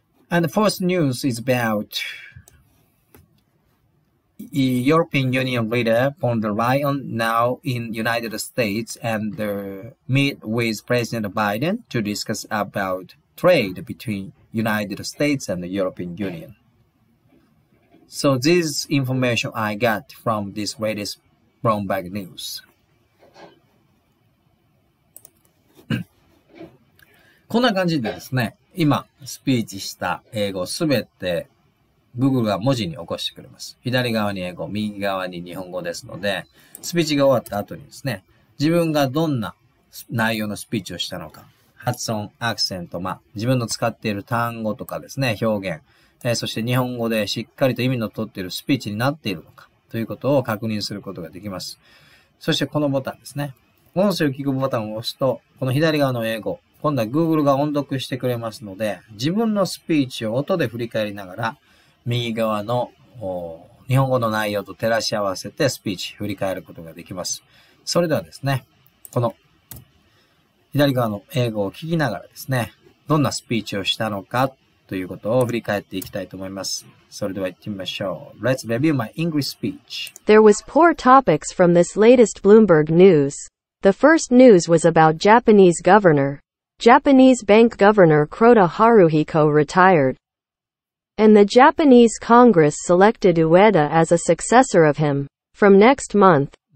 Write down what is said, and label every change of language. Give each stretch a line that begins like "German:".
English: And the first news is about European Union leader von der Leyen now in United States and meet with President Biden to discuss about trade between United States and the European Union. So this information I got from this latest Bloomberg news.
Japanese: こんな感じでですね、今スピーチした英語すべて Google が文字に起こしてくれます。左側に英語、右側に日本語ですので、スピーチが終わった後にですね、自分がどんな内容のスピーチをしたのか、発音、アクセント、まあ、自分の使っている単語とかですね、表現、そして日本語でしっかりと意味の取っているスピーチになっているのか、ということを確認することができます。そしてこのボタンですね。音声を聞くボタンを押すと、この左側の英語、今度は Google が音読してくれますので、自分のスピーチを音で振り返りながら、右側の日本語の内容と照らし合わせてスピーチ振り返ることができます。それではですね、この左側の英語を聞きながらですね、どんなスピーチをしたのかということを振り返っていきたいと思います。それでは行ってみましょう。
English: Let's review my English speech. There was poor topics from this latest Bloomberg news. The first news was about Japanese governor. Japanese bank governor Kuroda Haruhiko retired. And the Japanese Congress selected Ueda as a successor of him, from next month.